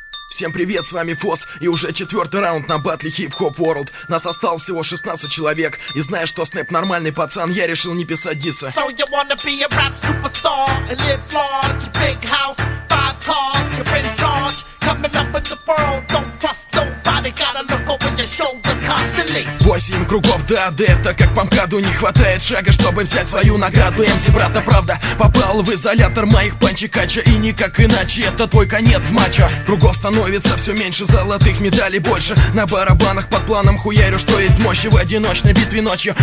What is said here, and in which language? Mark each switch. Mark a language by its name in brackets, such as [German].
[Russian] Всем привет, с вами Фос, и уже четвертый раунд на батле Hip Hop World. Нас осталось всего 16 человек, и зная, что Снэп нормальный пацан, я решил не писать диссы. [English] So you wanna be a rap superstar, and live large, big house, five cars, you're in charge, coming up in the world, don't trust nobody, gotta look over your shoulder constantly. [Russian] 8 кругов до адепта, как по МКАДу не хватает шага, чтобы взять свою награду. МС, брат, да правда, попал в изолятор моих панчикача, и никак иначе, это твой конец матча. Кругов становится все меньше, золотых медалей больше. На барабанах под планом хуярю, что есть мощи в одиночной битве ночью.